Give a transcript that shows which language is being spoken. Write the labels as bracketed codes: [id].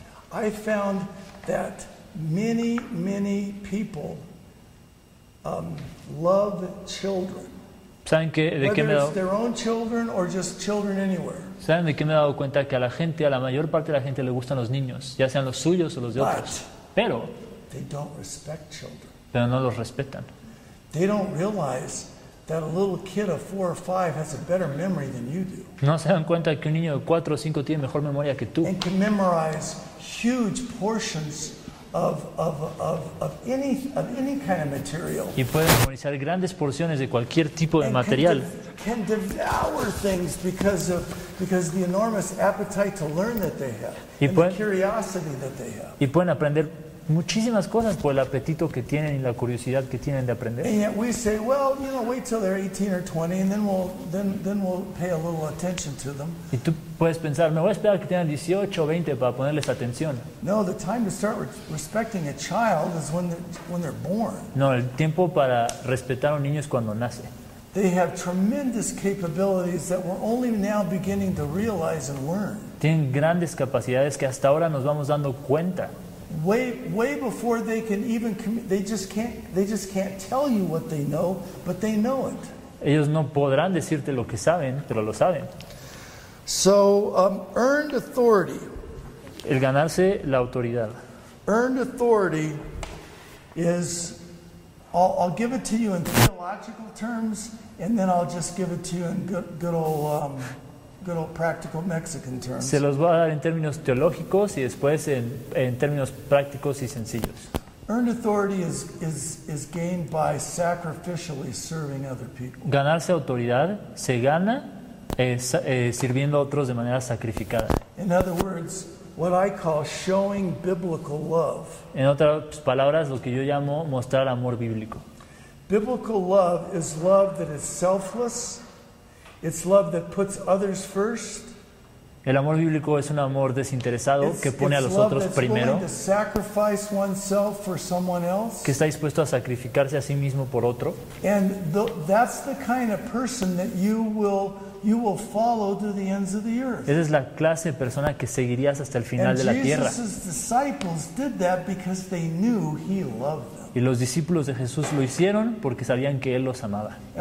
[en] I found that many, many people love children. [es] ¿Saben qué, de qué me [en] it's their own children or just children anywhere. [es] ¿Saben de qué me he dado cuenta? Que a la gente, a la mayor parte de la gente le gustan los niños, ya sean los suyos o los de otros. Pero [en] they don't respect children. [es] Pero no los respetan. [en] They don't realize that a little kid of 4 or 5 has a better memory than you do. [es] No se dan cuenta que un niño de 4 o 5 tiene mejor memoria que tú. [en] And can memorize huge portions of any kind of material. [es] Y puede memorizar grandes porciones de cualquier tipo de material. [en] Can devour things because the enormous appetite to learn that they have and the curiosity that they have. [es] Y pueden aprender muchísimas cosas por el apetito que tienen y la curiosidad que tienen de aprender. [en] And yet we say, well, you know, wait till they're 18 or 20 and then we'll pay a little attention to them. [es] Y tú puedes pensar, me voy a esperar que tengan 18 o 20 para ponerles atención. [en] No, the time to start respecting a child is when they're born. [es] No, el tiempo para respetar a un niño es cuando nace. [en] They have tremendous capabilities that we're only now beginning to realize and learn. [es] Tienen grandes capacidades que hasta ahora nos vamos dando cuenta. [en] Way before they can even they just can't tell you what they know, but they know it. [es] Ellos no podrán decirte lo que saben, pero lo saben. [en] So earned authority. [es] El ganarse la autoridad. [en] Earned authority is I'll give it to you in theological terms, and then I'll just give it to you in good old practical Mexican terms. [es] Se los voy a dar en términos teológicos y después en términos prácticos y sencillos. [en] Earned authority is gained by sacrificially serving other people. [es] Ganarse autoridad se gana sirviendo a otros de manera sacrificada. [en] In other words, what I call showing biblical love. [es] En otras palabras, lo que yo llamo mostrar amor bíblico. [en] Biblical love is love that is selfless. It's love that puts others first. [es] El amor bíblico es un amor desinteresado que pone a los otros primero. [en] It's love that's willing to sacrifice oneself for someone else. [es] Que está dispuesto a sacrificarse a sí mismo por otro. [en] And that's the kind of person that you will follow to the ends of the earth. [es] Esa es la clase de persona que seguirías hasta el final de la tierra. [en] And Jesus' disciples did that because they knew he loved them. [es] Y los discípulos de Jesús lo hicieron porque sabían que Él los amaba.